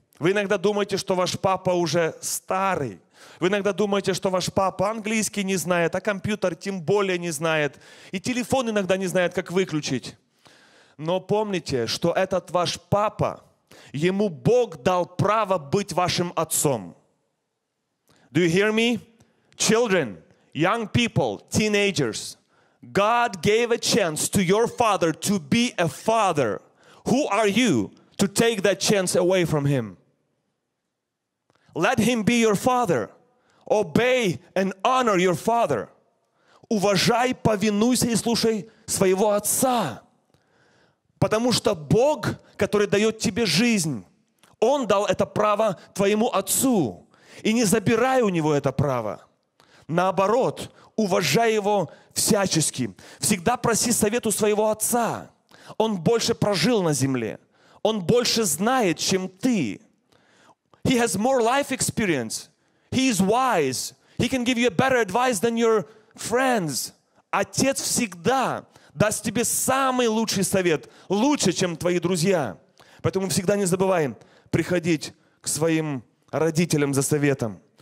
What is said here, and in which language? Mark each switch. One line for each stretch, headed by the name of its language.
Russian: Вы иногда думаете, что ваш папа уже старый. Вы иногда думаете, что ваш папа английский не знает, а компьютер тем более не знает. И телефон иногда не знает, как выключить. Но помните, что этот ваш папа, ему Бог дал право быть вашим отцом.
English: Do you hear me? Children, young people, teenagers. God gave a chance to your father to be a father. Who are you to take that chance away from him? Let him be your father. Obey and honor your father.
Russian: Уважай, повинуйся и слушай своего отца. Потому что Бог, который дает тебе жизнь, Он дал это право твоему отцу. И не забирай у него это право. Наоборот, уважай его всячески. Всегда проси совету своего отца. Он больше прожил на земле. Он больше знает, чем ты.
English: He has more life experience. He is wise. He can give you a better advice than your friends.
Russian: Отец всегда даст тебе самый лучший совет, лучше, чем твои друзья. Поэтому всегда не забывай приходить к своим родителям за советом.